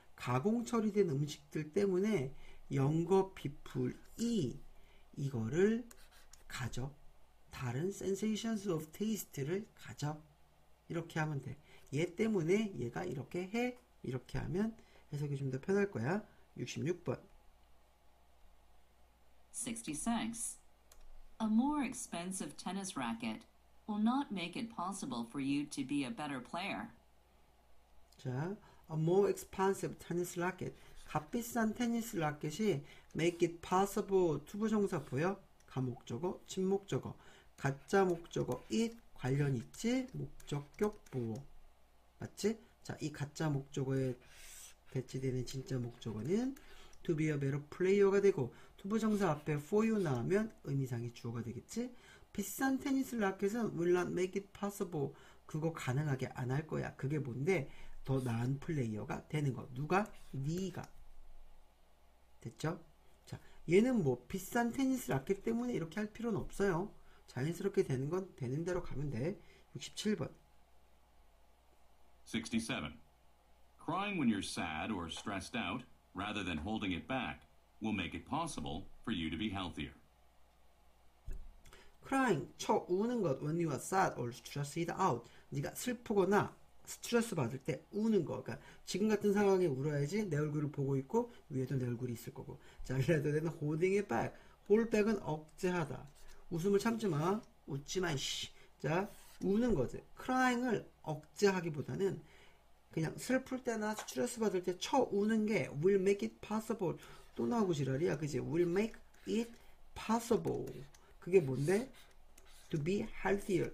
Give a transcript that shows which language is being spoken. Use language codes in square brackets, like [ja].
[ko] 가공 처리된 음식들 때문에 [en] younger people [ko] 이 이거를 가져. 다른 [en] sensations of taste [ko] 를 가져. 이렇게 하면 돼. 얘 때문에 얘가 이렇게 해. 이렇게 하면 해석이 좀 더 편할 거야. 66번. [en] 66. A more expensive tennis racket will not make it possible for you to be a better player. 자, a more expensive tennis racket. [ko] 값비싼 테니스 라켓이 [en] make it possible [ko] 투부정사 보여 가목적어 침목적어 가짜 목적어 it 관련 있지 목적격 보호 맞지? 자, 이 가짜 목적어에 대치되는 진짜 목적어는 [en] to be a better player [ko] 가 되고 투부정사 앞에 [en] for you [ko] 나오면 의미상의 주어가 되겠지? 비싼 테니스 라켓은 [en] will not make it possible [ko] 그거 가능하게 안 할 거야 그게 뭔데? 더 나은 플레이어가 되는 거 누가? 네가 됐죠? 자, 얘는 뭐 비싼 테니스 라켓 때문에 이렇게 할 필요는 없어요 자연스럽게 되는 건 되는 대로 가면 돼 67번 [en] 67 Crying when you're sad or stressed out rather than holding it back will make it possible for you to be healthier [ko] Crying 처 우는 것 [en] when you are sad or stressed out [ko] 네가 슬프거나 스트레스 받을 때 우는 거. 그러니까 지금 같은 상황에 울어야지 내 얼굴을 보고 있고 위에도 내 얼굴이 있을 거고. 자, 그래도 되는 [en] holding it back. hold back [ko] 은 억제하다. 웃음을 참지 마. 웃지 마, 씨. 자, 우는 거지. crying을 억제하기보다는 그냥 슬플 때나 스트레스 받을 때 쳐 우는 게 [en] will make it possible. [ko] 또 나오고 지랄이야. 그지? [en] will make it possible. [ko] 그게 뭔데? [en] to be healthier.